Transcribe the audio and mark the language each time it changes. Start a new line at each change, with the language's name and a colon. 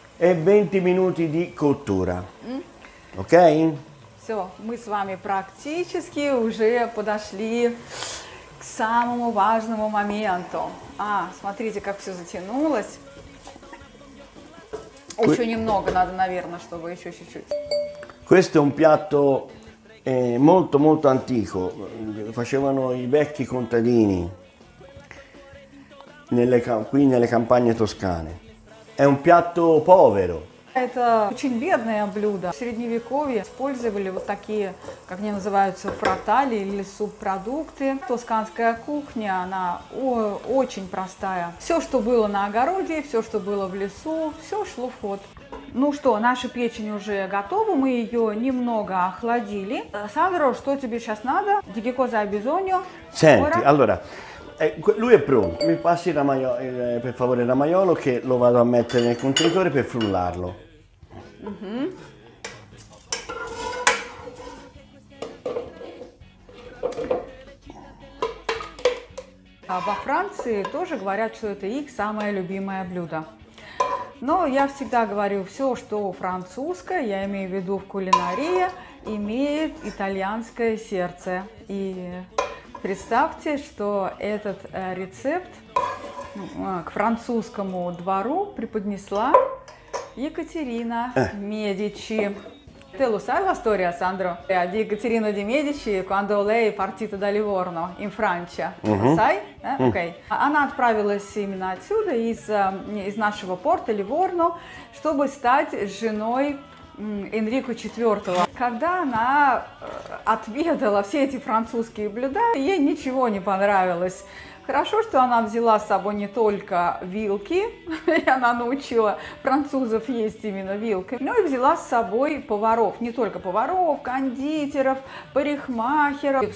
Italian: E 20 minuti di cottura, ok?
Russian: Все, мы с вами практически уже подошли к самому важному моменту. А, смотрите, как все затянулось. Еще немного надо, наверное, чтобы еще чуть-чуть.
Italian: Questo è un piatto molto molto antico. Facevano i vecchi contadini qui nelle campagne toscane. È un piatto povero.
Russian: Это очень бедное блюдо. В средневековье использовали вот такие, как они называются, фраталии или субпродукты. Тосканская кухня, она очень простая. Все, что было на огороде, все, что было в лесу, все шло в ход. Ну что, наша печень уже готова, мы ее немного охладили. Сандро, что тебе сейчас надо?
Italian: Di cosa hai bisogno? Senti, allora, lui è pronto. Mi passi per favore il ramaiolo che lo vado a mettere nel contenitore per frullarlo.
Russian: А во Франции тоже говорят, что это их самое любимое блюдо. Но я всегда говорю, все, что французское, я имею в виду в кулинарии, имеет итальянское сердце. И представьте, что этот рецепт к французскому двору преподнесла Екатерина Медичи.
Italian: Te lo sai la storia, Sandro? Di Caterina de' Medici, quando lei è partita da Livorno, in Francia. Uh-huh. Sai? Okay.
Russian: Она отправилась именно отсюда, из нашего порта Ливорно, чтобы стать женой Энрико IV. Когда она отведала все эти французские блюда, ей ничего не понравилось. Хорошо, что она взяла с собой не только вилки, и она научила французов есть именно вилкой, но и взяла с собой поваров, не только поваров, кондитеров, парикмахеров.